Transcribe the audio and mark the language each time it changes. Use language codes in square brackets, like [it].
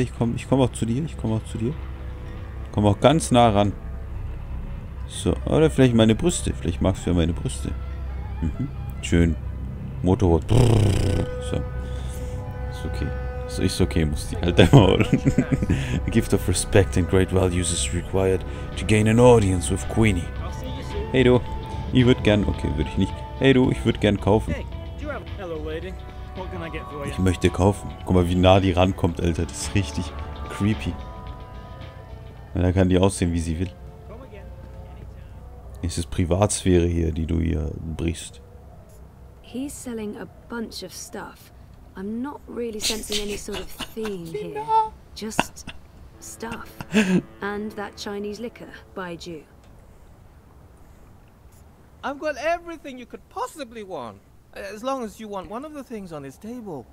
[de] Ich komm auch zu dir. Komm auch ganz nah ran. So, oder vielleicht meine Brüste. Vielleicht magst du ja meine Brüste. Mhm, schön. Motorrad. So. Okay, so ist okay, muss die halt einmal. [en] A gift of respect and great values is required to gain an audience with Queenie. [de] Hey du, ich würde gern, okay, würde ich nicht. Hey du, ich würde gern kaufen. Ich möchte kaufen. Guck mal, wie nah die rankommt, Alter. Das ist richtig creepy. Da kann die aussehen, wie sie will. Es ist Privatsphäre hier, die du hier brichst. [en] He's selling a bunch of stuff. I'm not really sensing any sort of theme here. Just stuff. And that Chinese liquor, baijiu. I've got everything you could possibly want. As long as you want one of the things on this table.